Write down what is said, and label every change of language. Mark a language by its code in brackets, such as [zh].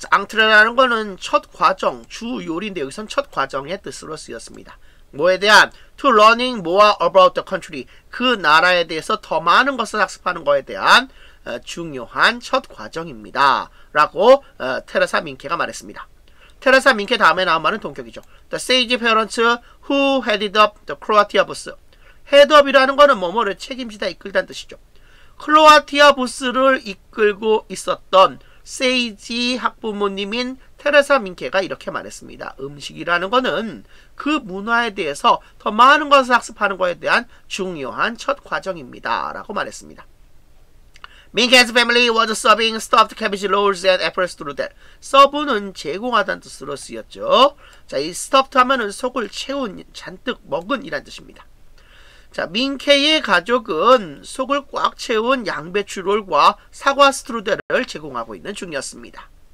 [ko] Entree라는 거는 첫 과정, 주 요리인데 여기선 첫 과정의 뜻으로 쓰였습니다. 뭐에 대한? [en] To learning more about the country. [ko] 그 나라에 대해서 더 많은 것을 학습하는 거에 대한 중요한 첫 과정입니다. 라고 테레사 민케가 말했습니다. 테레사 민케 다음에 나온 말은 동격이죠. [en] The sage parents who headed up the Croatia bus. [ko] Head up이라는 거는 뭐뭐를 책임지다 이끌다는 뜻이죠. 크로아티아 부스를 이끌고 있었던 세이지 학부모님인 테레사 민케가 이렇게 말했습니다. 음식이라는 것은 그 문화에 대해서 더 많은 것을 학습하는 것에 대한 중요한 첫 과정입니다. 라고 말했습니다. [en] Minke's family was serving stuffed cabbage rolls and apple strudel. [ko] 서브는 제공하다는 뜻으로 쓰였죠. 자, 이 stuffed 하면은 속을 채운, 잔뜩 먹은 이란 뜻입니다. 자, 민케의 가족은 속을 꽉 채운 양배추 롤과 사과 스트루델을 제공하고 있는 중이었습니다.